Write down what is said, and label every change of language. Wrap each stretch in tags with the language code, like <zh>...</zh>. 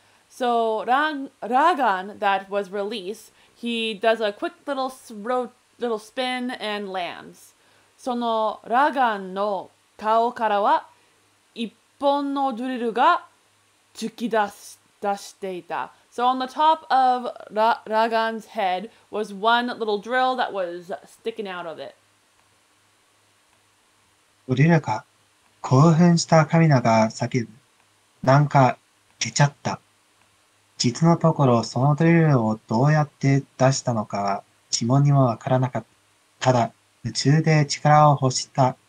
<en>So Ragan that was released, he does a quick little spin and lands.</en> <ja>そのラガンの顔からは一本のドリルが突き出していた。</ja> <en>So on the top of Ragan's head was one little drill that was sticking out of it.</en> <ja>ドリルか。興奮したカミナが叫ぶ。なんか出ちゃった。実のところそのドリルをどうやって出したのかは指紋にもわからなかった。ただ夢中で力を欲した。</ja>